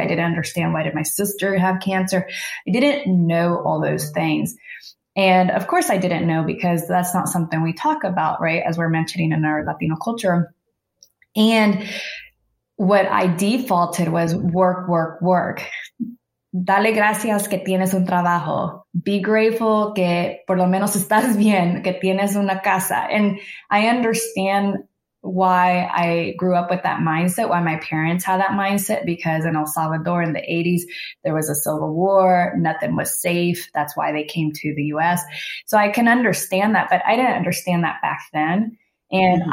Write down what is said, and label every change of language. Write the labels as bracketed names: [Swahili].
[English] I didn't understand why did my sister have cancer. I didn't know all those things. And of course I didn't know because that's not something we talk about, right? As we're mentioning in our Latino culture. And what I defaulted was work, work, work. [Spanish] Dale gracias que tienes un trabajo. [English] Be grateful [Spanish] que por lo menos estás bien, que tienes una casa. [English] And I understand why I grew up with that mindset, why my parents had that mindset, because in El Salvador in the 80s, there was a civil war, nothing was safe. That's why they came to the US. So I can understand that, but I didn't understand that back then. And mm-hmm.